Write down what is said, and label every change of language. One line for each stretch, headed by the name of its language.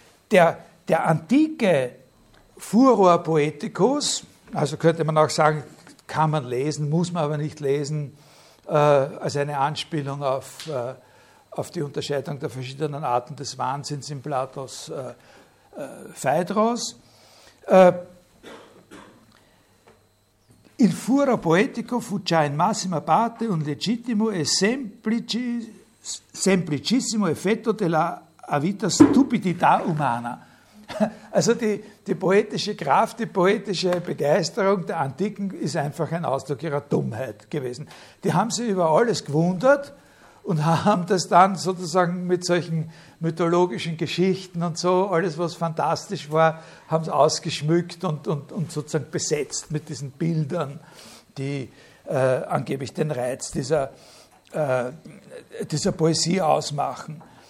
German: Der antike Furor Poeticus, also könnte man auch sagen, kann man lesen, muss man aber nicht lesen, als eine Anspielung auf die Unterscheidung der verschiedenen Arten des Wahnsinns in Platos Phaedros.
Italian: Il furor poetico fu già in massima parte un legittimo e semplicissimo effetto della avita stupidità umana.
German: Also die poetische Kraft, die poetische Begeisterung der Antiken ist einfach ein Ausdruck ihrer Dummheit gewesen. Die haben sich über alles gewundert und haben das dann sozusagen mit solchen mythologischen Geschichten und so, alles was fantastisch war, haben sie ausgeschmückt und sozusagen besetzt mit diesen Bildern, die angeblich den Reiz dieser Poesie ausmachen.